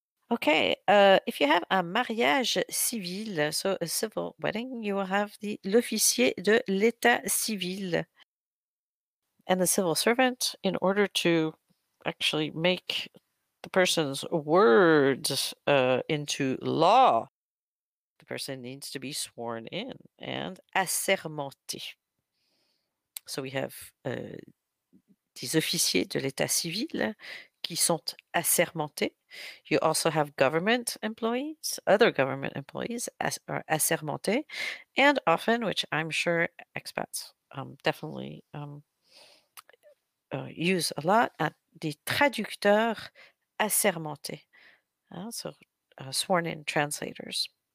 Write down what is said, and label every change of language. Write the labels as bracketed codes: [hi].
[en] Okay, if you have [fr] un mariage civil, [en] so a civil wedding, you will have [fr] l'officier de l'état civil. [en] And the civil servant, in order to actually make the person's words into law, the person needs to be sworn in and assermenté. So we have [fr] des officiers de l'état civil qui sont assermentés. [en] You also have government employees, other government employees are assermentés, and often, which I'm sure expats definitely use a lot, [fr] des traducteurs assermentés, [en] so sworn-in translators.